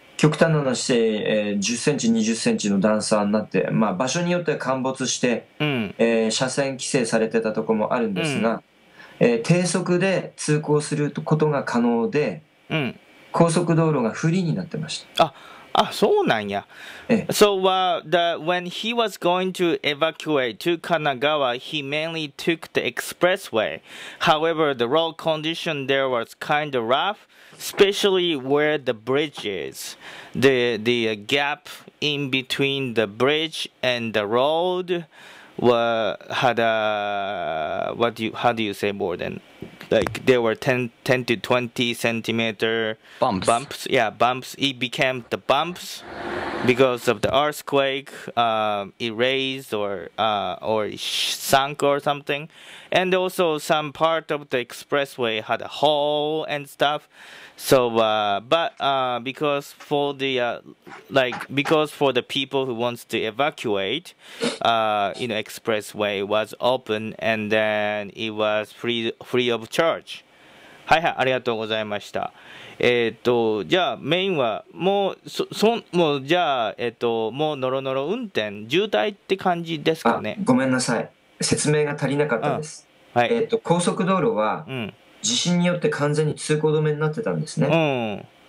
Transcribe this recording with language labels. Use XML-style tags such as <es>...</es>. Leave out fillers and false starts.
<ja>極端な話で、10センチ20センチの段差になって、まあ、場所によっては陥没して、うん、車線規制されてたところもあるんですが、うん、低速で通行することが可能で、うん、高速道路がフリーになってました。あ、そうなんや。</ja> <en>So, when he was going to evacuate to Kanagawa, he mainly took the expressway. However, the road condition there was kind of rough, especially where the bridge is. The gap in between the bridge and the road had a, how do you say more than, like there were 10 to 20 centimeter bumps. Yeah, bumps. It became the bumps because of the earthquake. It raised or it sunk or something. And also some part of the expressway had a hole and stuff. So, because for the, because for the people who wants to evacuate, you know, expressway was open and then it was free of charge.</en> <ja>はいはい、ありがとうございました。じゃあメインはもうじゃあ、もうノロノロ運転、渋滞って感じですかね。あ、ごめんなさい。説明が足りなかったです。はい。高速道路は、うん、地震によって完全に通行止めになってたんですね、</ja>